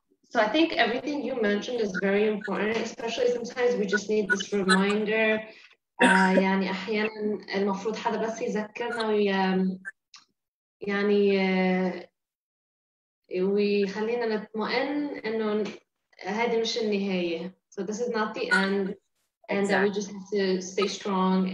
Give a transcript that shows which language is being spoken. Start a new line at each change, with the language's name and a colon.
English: So I think everything you mentioned is very important, especially sometimes we just need this reminder.
Arabic: يعني أحيانا المفروض حدا بس يذكرنا يعني ويخلينا نطمئن إنه هذه مش النهاية.
English: So this is not the end, and exactly. We just have to stay strong.